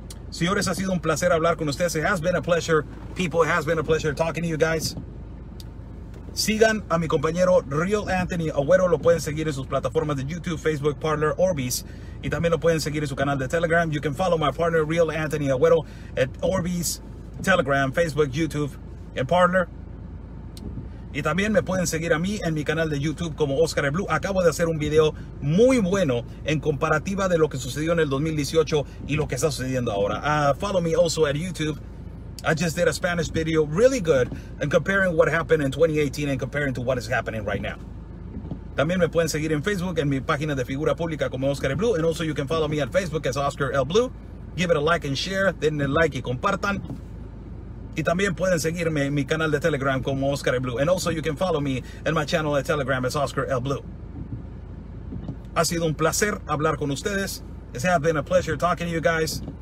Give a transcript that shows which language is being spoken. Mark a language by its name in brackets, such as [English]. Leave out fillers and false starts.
[Spanish] Señores, ha sido un placer hablar con ustedes. [English] It has been a pleasure, people, it has been a pleasure talking to you guys. [Spanish] Sigan a mi compañero Real Anthony Agüero. Lo pueden seguir en sus plataformas de YouTube, Facebook, Parler, Orbeez. Y también lo pueden seguir en su canal de Telegram. [English] You can follow my partner Real Anthony Agüero at Orbeez, Telegram, Facebook, YouTube, and Parler. [Spanish] Y también me pueden seguir a mí en mi canal de YouTube como Oscar Blue. Acabo de hacer un video muy bueno en comparativa de lo que sucedió en el 2018 y lo que está sucediendo ahora. [English] Follow me also at YouTube. I just did a Spanish video, really good, and comparing what happened in 2018 and comparing to what is happening right now. [Spanish] También me pueden seguir en Facebook en mi página de figura pública como Oscar L. Blue. [English] And also you can follow me on Facebook as Oscar L. Blue. Give it a like and share. [Spanish] Denle like y compartan. Y también pueden seguirme en mi canal de Telegram como Oscar L. Blue. [English] And also you can follow me in my channel at Telegram as Oscar L. Blue. [Spanish] Ha sido un placer hablar con ustedes. [English] It has been a pleasure talking to you guys.